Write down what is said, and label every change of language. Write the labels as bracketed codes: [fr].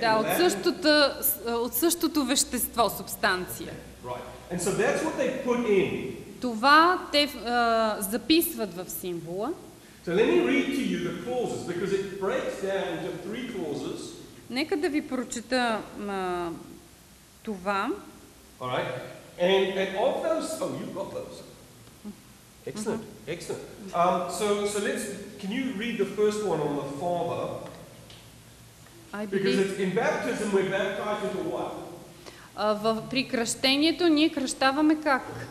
[bg] Да, от същото, от същото вещество, субстанция. [en] Okay. Right. And so that's what they put in. [bg] Това те записват в символа. [en] So let me read to you the clauses, because it breaks down into three clauses. [bg] Нека да ви прочета това. [en] All right. And of those, oh, you've got those. Excellent. Mm-hmm. Excellent. So let's, can you read the first one on the Father? Because it's, in baptism we're baptized into what? [bg] При кръщението ние кръщаваме как?